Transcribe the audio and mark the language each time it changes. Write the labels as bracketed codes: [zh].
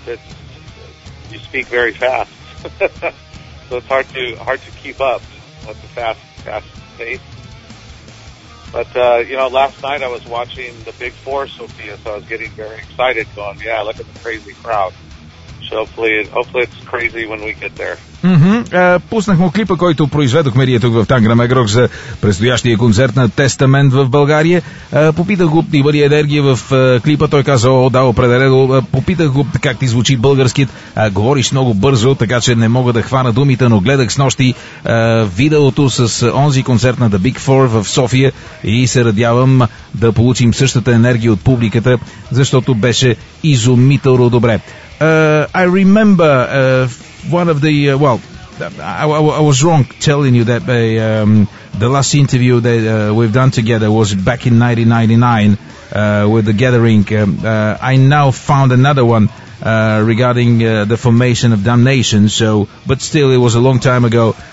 [en] It's you speak very fast, so it's hard to keep up with the fast pace. But you know, last night I was watching the Big Four, Sofia, so I was getting very excited. Going, yeah, look at the crazy crowd. Hopefully it's crazy when we get there. Mm-hmm. [bg] Пуснахме клипа, който произведохме ние тук в Тангра Мегрок за предстоящия концерт на Testament в България. Попитах го, има ли енергия в клипа. Той каза, о, да, определено. Попитах го, как ти звучи българският. Говориш много бързо, така че не мога да хвана думите, но гледах снощи видеото с онзи концерт на The Big Four в София и се радявам да получим същата енергия от публиката, защото беше изумително добре. [en] I remember one of the I was wrong telling you that the last interview that we've done together was back in 1999 with The Gathering. I now found another one regarding the Formation of Damnation, so but still it was a long time ago.